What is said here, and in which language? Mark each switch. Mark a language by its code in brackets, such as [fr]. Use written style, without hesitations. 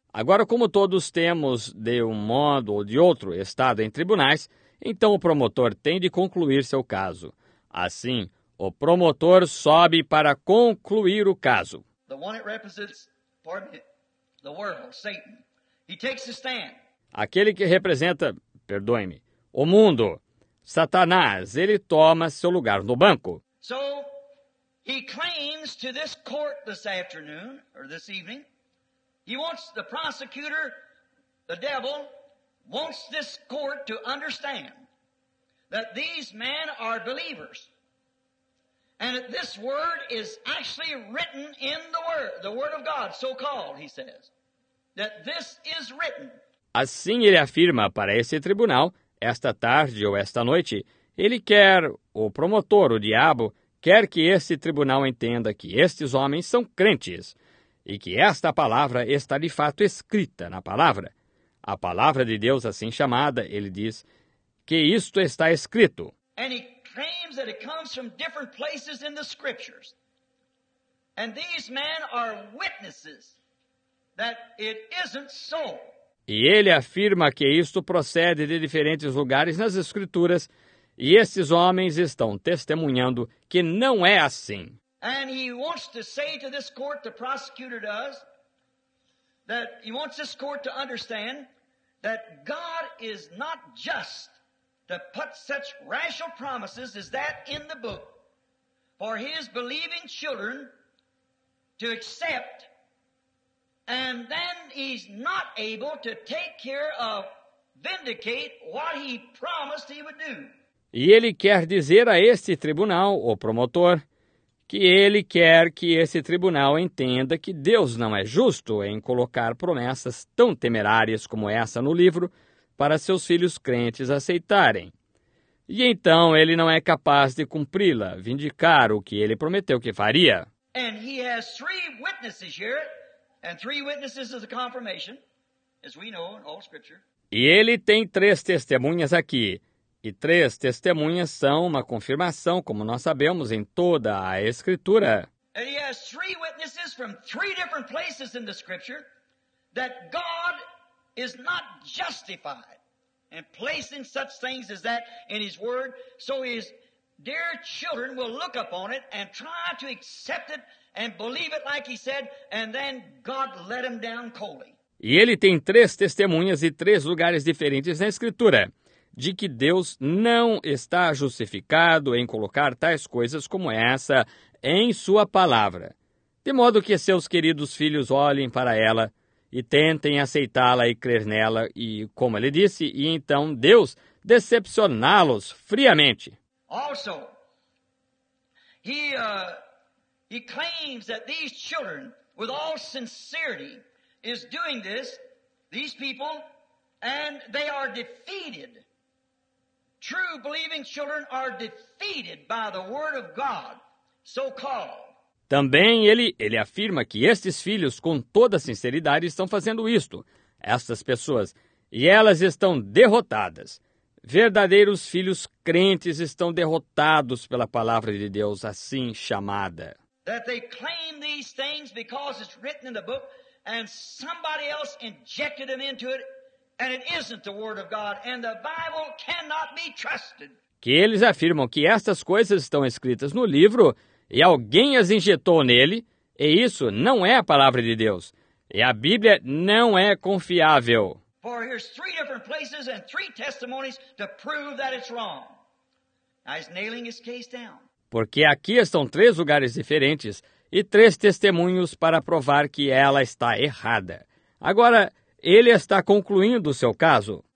[pt] Agora, como todos temos, de um modo ou de outro, estado em tribunais, então o promotor tem de concluir seu caso. Assim, o promotor sobe para concluir o caso. [en] The one that represents, pardon me, the world, Satan. He takes the stand. [pt] Aquele que representa, perdoe-me, o mundo, Satanás, ele toma seu lugar no banco. [en] So, he claims to this court this afternoon, or this evening, he wants the prosecutor, the devil, wants this court to understand that these men are believers. And that this word is actually written in the word of God, so-called, he says. That this is written. [pt] Assim ele afirma para esse tribunal, esta tarde ou esta noite, ele quer, o promotor, o diabo, quer que esse tribunal entenda que estes homens são crentes. E que esta palavra está de fato escrita na palavra. A palavra de Deus assim chamada, ele diz, que isto está escrito. [en] And he claims that it comes from different places in the scriptures. And these men are witnesses that it isn't so. [pt] E ele afirma que isto procede de diferentes lugares nas escrituras. E esses homens estão testemunhando que não é assim. [en] And he wants to say to this court, the prosecutor does, that he wants this court to understand that God is not just to put such rational promises as that in the book for his believing children to accept, and then he's not able to take care of, vindicate what he promised he would do. [pt] E ele quer dizer a este tribunal, o promotor, que ele quer que esse tribunal entenda que Deus não é justo em colocar promessas tão temerárias como essa no livro para seus filhos crentes aceitarem. E então ele não é capaz de cumpri-la, vindicar o que ele prometeu que faria. [en] And he has 3 witnesses here, and 3 witnesses is a confirmation, as we know in all scripture. [pt] E ele tem 3 testemunhas aqui. E 3 testemunhas são uma confirmação, como nós sabemos, em toda a Escritura. [en] And he has three witnesses from three different places in the scripture that God is not justified in placing such things as that in his word. So his dear children will look upon it and try to accept it and believe it like he said, and then God let him down coldly. [pt] E ele tem três testemunhas e três lugares diferentes na Escritura de que Deus não está justificado em colocar tais coisas como essa em sua palavra, de modo que seus queridos filhos olhem para ela e tentem aceitá-la e crer nela, e como ele disse, e então Deus decepcioná-los friamente. [en] Also, he claims that these children, with all sincerity, is doing this, these people, and they are defeated. True believing children are defeated by the word of God, so called. [pt] Também ele afirma que estes filhos, com toda sinceridade, estão fazendo isto, estas pessoas, e elas estão derrotadas. Verdadeiros filhos crentes estão derrotados pela palavra de Deus, assim chamada. [en] That they claim these things because it's written in the book, and somebody else injected them into it, and it isn't the word of God, and the Bible cannot be trusted. [pt] Que eles afirmam que estas coisas estão escritas no livro, e alguém as injetou nele, e isso não é a palavra de Deus, e a Bíblia não é confiável. [en] For here's three different places and three testimonies to prove that it's wrong. Now he's nailing his case down. [pt] Porque aqui estão três lugares diferentes e três testemunhos para provar que ela está errada. Agora, ele está concluindo o seu caso.